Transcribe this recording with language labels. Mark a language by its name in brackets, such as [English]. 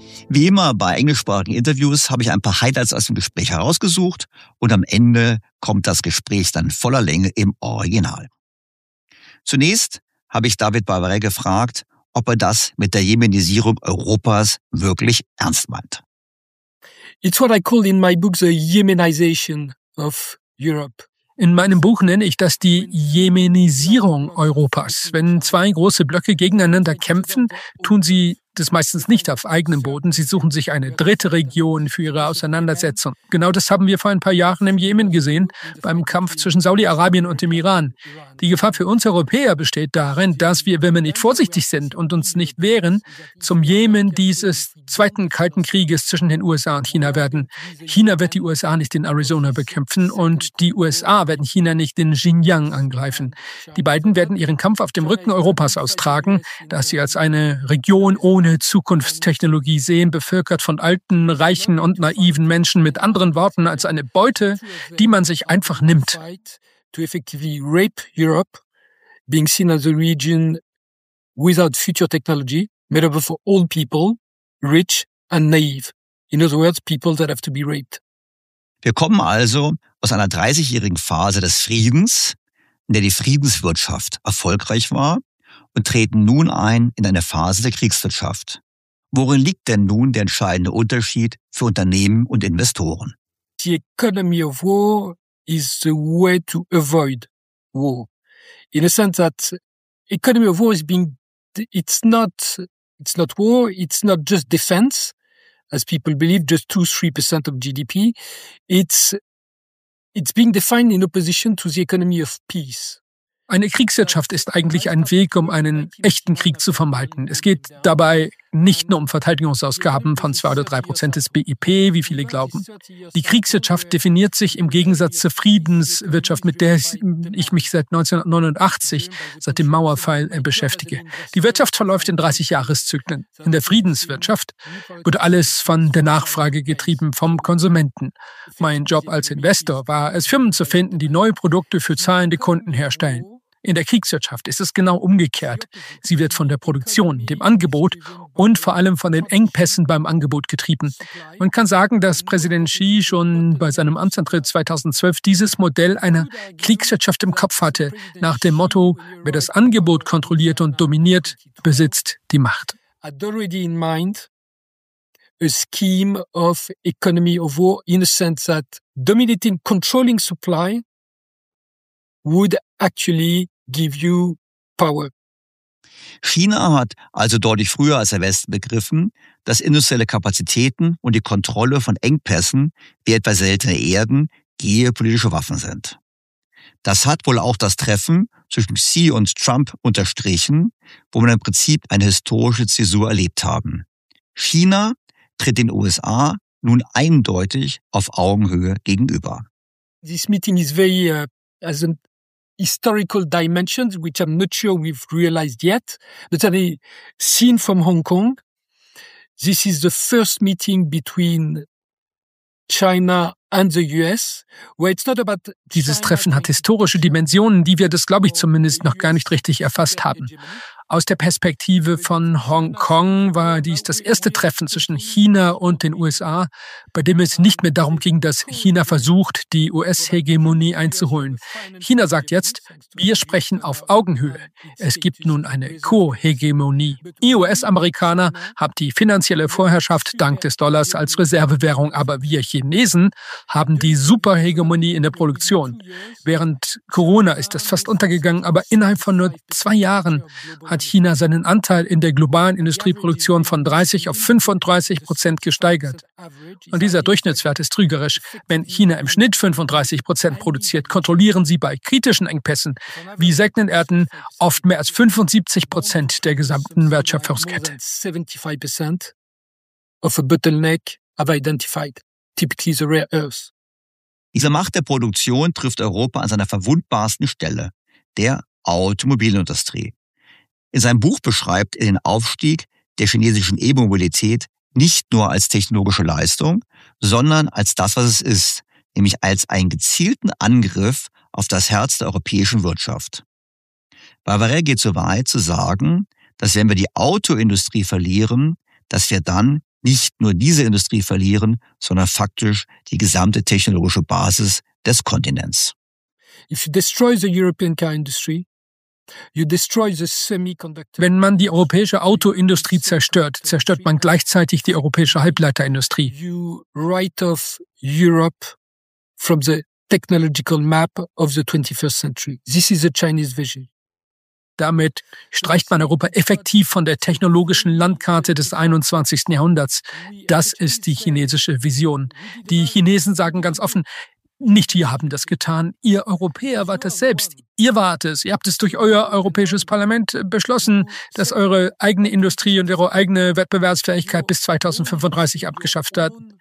[German] Wie immer bei englischsprachigen Interviews habe ich ein paar Highlights aus dem Gespräch herausgesucht und am Ende kommt das Gespräch dann voller Länge im Original. Zunächst habe ich David Bavaret gefragt, ob er das mit der Jemenisierung Europas wirklich ernst meint. [English] It's what I call in my book the Yemenization of Europe. [German] In meinem Buch nenne ich das die Jemenisierung Europas. Wenn zwei große Blöcke gegeneinander kämpfen, tun sie das meistens nicht auf eigenem Boden. Sie suchen sich eine dritte Region für ihre Auseinandersetzung. Genau das haben wir vor ein paar Jahren im Jemen gesehen, beim Kampf zwischen Saudi-Arabien und dem Iran. Die Gefahr für uns Europäer besteht darin, dass wir, wenn wir nicht vorsichtig sind und uns nicht wehren, zum Jemen dieses zweiten Kalten Krieges zwischen den USA und China werden. China wird die USA nicht in Arizona bekämpfen und die USA werden China nicht in Xinjiang angreifen. Die beiden werden ihren Kampf auf dem Rücken Europas austragen, dass sie als eine Region ohne Zukunftstechnologie sehen, bevölkert von alten, reichen und naiven Menschen, mit anderen Worten als eine Beute, die man sich einfach nimmt. [English] To effectively rape Europe, being seen as a region without future technology, made up of old people, rich and naive. In other words, people that have to be raped. [German] Wir kommen also aus einer 30-jährigen Phase des Friedens, in der die Friedenswirtschaft erfolgreich war, und treten nun ein in eine Phase der Kriegswirtschaft. Worin liegt denn nun der entscheidende Unterschied für Unternehmen und Investoren? [English] The economy of war is the way to avoid war. In a sense that economy of war is being, it's not war, it's not just defense, as people believe, just 2-3% of GDP. It's being defined in opposition to the economy of peace. [German] Eine Kriegswirtschaft ist eigentlich ein Weg, um einen echten Krieg zu vermeiden. Es geht dabei nicht nur um Verteidigungsausgaben von 2 oder 3% des BIP, wie viele glauben. Die Kriegswirtschaft definiert sich im Gegensatz zur Friedenswirtschaft, mit der ich mich seit 1989, seit dem Mauerfall, beschäftige. Die Wirtschaft verläuft in 30-Jahres-Zyklen. In der Friedenswirtschaft wird alles von der Nachfrage getrieben, vom Konsumenten. Mein Job als Investor war es, Firmen zu finden, die neue Produkte für zahlende Kunden herstellen. In der Kriegswirtschaft ist es genau umgekehrt. Sie wird von der Produktion, dem Angebot und vor allem von den Engpässen beim Angebot getrieben. Man kann sagen, dass Präsident Xi schon bei seinem Amtsantritt 2012 dieses Modell einer Kriegswirtschaft im Kopf hatte, nach dem Motto, wer das Angebot kontrolliert und dominiert, besitzt die Macht. [English] I'd already in mind a scheme of economy of war in a sense that dominating controlling supply would actually give you power. [German] China hat also deutlich früher als der Westen begriffen, dass industrielle Kapazitäten und die Kontrolle von Engpässen, wie etwa seltene Erden, geopolitische Waffen sind. Das hat wohl auch das Treffen zwischen Xi und Trump unterstrichen, wo wir im Prinzip eine historische Zäsur erlebt haben. China tritt den USA nun eindeutig auf Augenhöhe gegenüber. [English] This meeting is very historical dimensions, which I'm not sure we've realized yet, but I mean, seen from Hong Kong, this is the first meeting between China and the US, where it's not about. [German] Dieses Treffen hat historische Dimensionen, die wir, das glaube ich zumindest, noch gar nicht richtig erfasst haben. Aus der Perspektive von Hongkong war dies das erste Treffen zwischen China und den USA, bei dem es nicht mehr darum ging, dass China versucht, die US-Hegemonie einzuholen. China sagt jetzt, wir sprechen auf Augenhöhe. Es gibt nun eine Co-Hegemonie. Ihr US-Amerikaner habt die finanzielle Vorherrschaft dank des Dollars als Reservewährung, aber wir Chinesen haben die Super-Hegemonie in der Produktion. Während Corona ist das fast untergegangen, aber innerhalb von nur 2 Jahren hat China seinen Anteil in der globalen Industrieproduktion von 30% auf 35% gesteigert. Und dieser Durchschnittswert ist trügerisch. Wenn China im Schnitt 35% produziert, kontrollieren sie bei kritischen Engpässen wie seltenen Erden oft mehr als 75% der gesamten Wertschöpfungskette. [English] 75% of a bottleneck have identified, typically the rare earths. [German] Diese Macht der Produktion trifft Europa an seiner verwundbarsten Stelle, der Automobilindustrie. In seinem Buch beschreibt er den Aufstieg der chinesischen E-Mobilität nicht nur als technologische Leistung, sondern als das, was es ist, nämlich als einen gezielten Angriff auf das Herz der europäischen Wirtschaft. Bavaria geht so weit zu sagen, dass wenn wir die Autoindustrie verlieren, dass wir dann nicht nur diese Industrie verlieren, sondern faktisch die gesamte technologische Basis des Kontinents. [English] If you destroy the European car industry, you destroy the semiconductor. [German] Wenn man die europäische Autoindustrie zerstört, zerstört man gleichzeitig die europäische Halbleiterindustrie. [English] You write off Europe from the technological map of the 21st century. This is a Chinese vision. [German] Damit streicht man Europa effektiv von der technologischen Landkarte des 21. Jahrhunderts. Das ist die chinesische Vision. Die Chinesen sagen ganz offen, nicht wir haben das getan. Ihr Europäer wart es selbst. Ihr wart es. Ihr habt es durch euer europäisches Parlament beschlossen, dass eure eigene Industrie und eure eigene Wettbewerbsfähigkeit bis 2035 abgeschafft hat.